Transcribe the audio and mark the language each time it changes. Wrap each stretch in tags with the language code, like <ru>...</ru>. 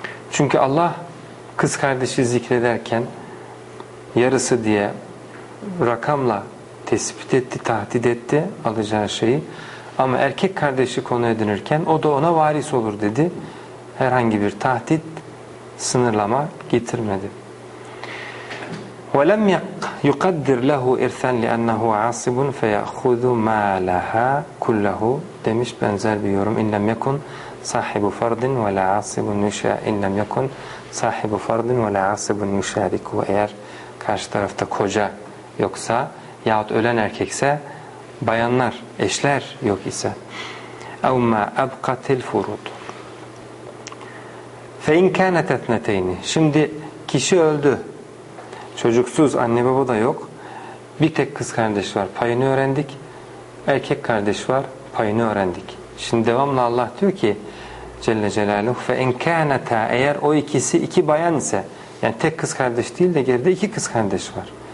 <tr>Çünkü Allah kız kardeşi zikrederken yarısı diye rakamla tespit etti, tahdit etti alacağı şeyi. Ama erkek kardeşi konu edinirken o da ona varis olur dedi. Herhangi bir tahdit, sınırlama getirmedi.</tr> <ar>وَلَمْ يُقَدِّرْ لَهُ اِرْثًا لِأَنَّهُ عَاصِبٌ فَيَأْخُذُ مَا لَهَا كُلَّهُ</ar> <tr>demiş benzer bir yorum.</tr> <ar>اِنْ لَمْ يَكُنْ صَاحِبُ فَرْضٍ وَلَا عَاصِبٌ يُشَارِكُ اِنْ لَمْ يَكُنْ صَاحِبُ فَرْضٍ وَلَا عَاصِبٌ يُشَارِكُ</ar> <tr>Eğer karşı tarafta koca yoksa yahut ölen erkekse, bayanlar, eşler yok ise.</tr> <ar>اَوْ مَا أَبْقَتِ الْفُرُودُ فَاِنْ كَانَتْ اَثْنَتَيْنِ</ar> <tr>Şimdi kişi öldü. Çocuksuz, anne baba da yok. Bir tek kız kardeş var. Payını öğrendik. Erkek kardeş var. Payını öğrendik. Şimdi devamlı Allah diyor ki Celle Celaluhu</tr> <ar>فَاِنْ كَانَتَا</ar> <tr>Eğer o ikisi iki bayan ise, yani tek kız kardeş değil de geride iki kız kardeş var.</tr>